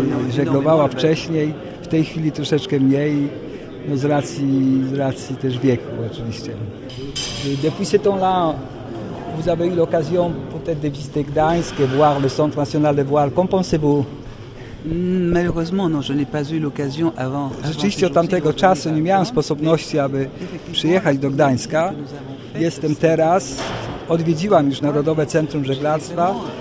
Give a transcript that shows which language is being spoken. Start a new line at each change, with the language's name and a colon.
Polish: Żeglowała wcześniej, w tej chwili troszeczkę mniej. No z racji też wieku oczywiście.
French: Depuis ce temps-là, vous avez eu l'occasion peut-être de visiter Gdańsk, voir le Centre National de Voile. Qu'en pensez-vous? Malheureusement, non, je n'ai pas eu l'occasion avant.
Polish: Rzeczywiście od tamtego czasu nie miałem sposobności, aby przyjechać do Gdańska. Jestem teraz, odwiedziłam już Narodowe Centrum Żeglarstwa.